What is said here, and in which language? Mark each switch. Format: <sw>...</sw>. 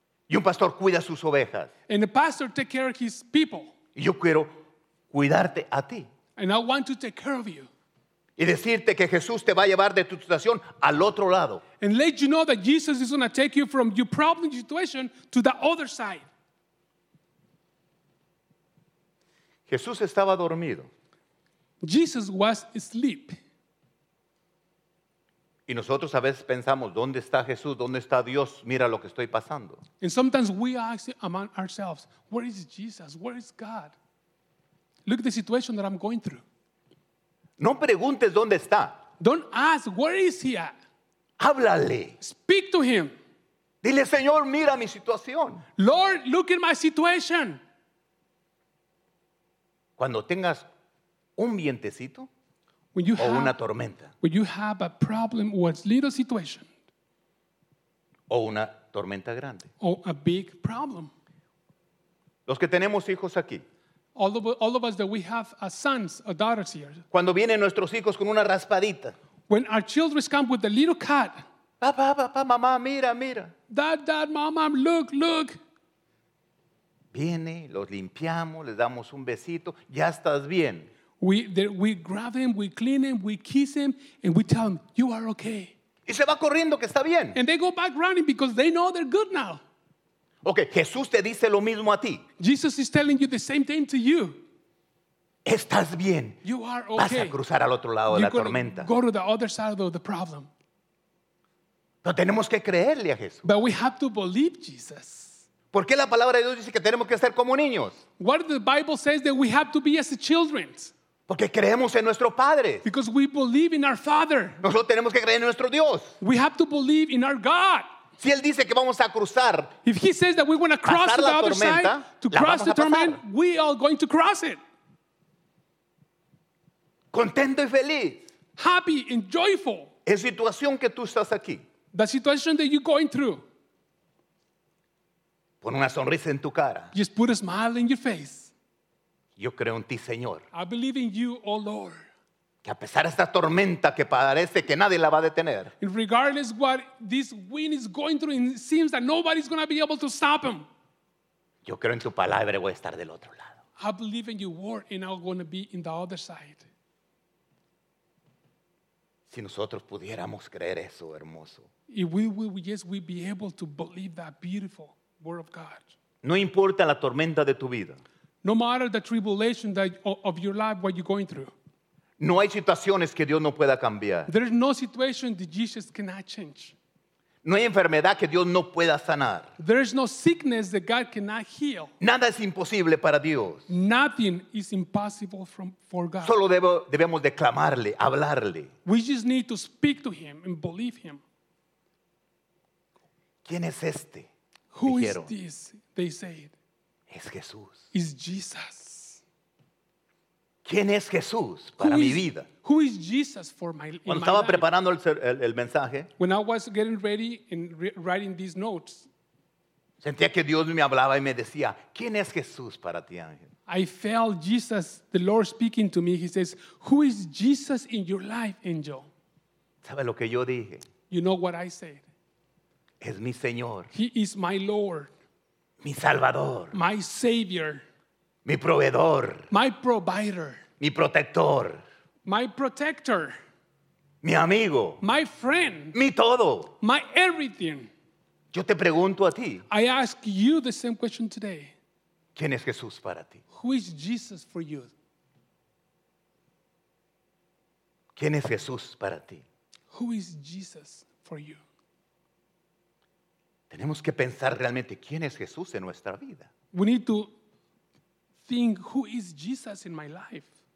<es>Y un pastor cuida sus ovejas.</es> <en>And a pastor take care of his people.</en> <es>Y yo quiero cuidarte a ti.</es> <en>And I want to take care of you.</en> <es>Y decirte que Jesús te va a llevar de tu situación al otro lado.</es> <en>And let you know that Jesus is going to take you from your problem situation to the other side.</en> <es>Jesús estaba dormido.</es> <en>Jesus was asleep.</en> <es>Y nosotros a veces pensamos, ¿dónde está Jesús? ¿Dónde está Dios? Mira lo que estoy pasando.</es> <en>And sometimes we ask among ourselves, where is Jesus? Where is God? Look at the situation that I'm going through.</en> <es>No preguntes dónde está.</es> <en>Don't ask, where is he at?</en> <es>Háblale.</es> <en>Speak to him.</en> <es>Dile, Señor, mira mi situación.</es> <en>Lord, look at my situation.</en> <es>Cuando tengas un vientecito o una tormenta.</es> <en>When you have a problem or a little situation.</en> <es>O una tormenta grande.</es> <en>Or a big problem.</en> <es>Los que tenemos hijos aquí.</es> <en>All of us that we have sons or daughters here.</en> <es>Cuando vienen nuestros hijos con una raspadita.</es> <en>When our children come with a little cut.</en> <es>Papá, papá, mamá, mira, mira.</es> <en>Dad, mamá, look, look.</en> <es>Viene, los limpiamos, les damos un besito, ya estás bien.</es> <en>We grab him, we clean him, we kiss him, and we tell him, you are okay.</en> <es>Y se va corriendo que está bien.</es> <en>And they go back running because they know they're good now.</en> <es>Okay, Jesús te dice lo mismo a ti.</es> <en>Jesus is telling you the same thing to you.</en> <es>Estás bien.</es> <en>You are okay.</en> <es>Vas a cruzar al otro lado</es> <en>you</en> <es>de la tormenta.</es> <en>Go to the other side of the problem.</en> <es>Pero tenemos que creerle a Jesús.</es> <en>But we have to believe Jesus.</en> <es>¿Por qué la palabra de Dios dice que tenemos que ser como niños?</es> <en>What the Bible says that we have to be as children.</en> <es>Porque creemos en nuestro Padre.</es> <en>Because we believe in our Father.</en> <es>Nosotros tenemos que creer en nuestro Dios.</es> <en>We have to believe in our God.</en> <es>Si él dice que vamos a cruzar,</es> <en>if he says that we want to cross to the other side, to cross the tormenta, we are going to cross it.</en> <es>Contento y feliz.</es> <en>Happy and joyful.</en> <es>En situación que tú estás aquí.</es> <en>The situation that you're going through.</en> <es>Pon una sonrisa en tu cara.</es> <en>Just put a smile in your face.</en> <es>Yo creo en ti, Señor.</es> <en>I believe in you, oh Lord.</en> <es>Que a pesar de esta tormenta que parece que nadie la va a detener.</es> <en>And regardless what this wind is going through, it seems that nobody's going to be able to stop him.</en> <es>Yo creo en tu palabra y voy a estar del otro lado.</es> <en>I believe in your word and I'm going to be in the other side.</en> <es>Si nosotros pudiéramos creer eso, hermoso.</es> <en>If we be able to believe that beautiful word of God.</en> <es>No importa la tormenta de tu vida.</es> <en>No matter the tribulation that, of your life, what you're going through.</en> <es>No hay situaciones que Dios no pueda cambiar.</es> <en>There is no situation that Jesus cannot change.</en> <es>No hay enfermedad que Dios no pueda sanar.</es> <en>There is no sickness that God cannot heal.</en> <es>Nada es imposible para Dios.</es> <en>Nothing is impossible for God.</en> <es>Solo debemos de clamarle, hablarle.</es> <en>We just need to speak to him and believe him.</en> <es>¿Quién es este?</es> <en>Who</en> <es>dijeron.</es> <en>Is this? They said.</en> <es>Es Jesús.</es> <en>Is Jesus.</en> <es>¿Quién es Jesús para mi vida?</es> <en>Who is Jesus for my life?</en> <es>Cuando estaba preparando el mensaje,</es> <en>when I was getting ready and writing these notes,</en> <es>sentía que Dios me hablaba y me decía, ¿quién es Jesús para ti, Ángel?</es> <en>I felt Jesus, the Lord speaking to me. He says, who is Jesus in your life, Angel?</en> <es>¿Sabe lo que yo dije?</es> <en>You know what I said?</en> <es>Es mi Señor.</es> <en>He is my Lord.</en> <es>Mi Salvador.</es> <en>My Savior.</en> <es>Mi proveedor.</es> <en>My provider.</en> <es>Mi protector.</es> <en>My protector.</en> <es>Mi amigo.</es> <en>My friend.</en> <es>Mi todo.</es> <en>My everything.</en> <es>Yo te pregunto a ti.</es> <en>I ask you the same question today.</en> <es>¿Quién es Jesús para ti?</es> <en>Who is Jesus for you?</en> <es>¿Quién es Jesús para ti?</es> <en>Who is Jesus for you?</en> <es>Tenemos que pensar realmente quién es Jesús en nuestra vida.</es> <en>We need to think who is Jesus in my life.</en>